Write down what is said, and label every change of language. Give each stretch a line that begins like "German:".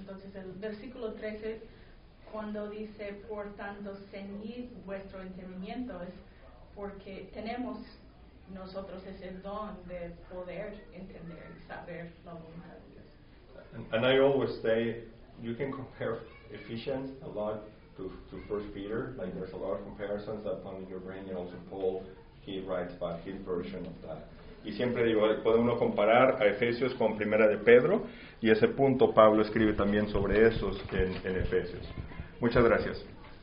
Spanish: Entonces el versículo 13, cuando dice, por tanto ceñid vuestro entendimiento, es porque tenemos nosotros ese don de poder entender y saber la voluntad de Dios.
English: And I always say, you can compare Ephesians a lot to First Peter, like there's a lot of comparisons that come in your brain, and also Paul, he writes about his version of that.
Spanish: Y siempre digo, puede uno comparar a Efesios con Primera de Pedro, y ese punto Pablo escribe también sobre esos en Efesios. Muchas gracias.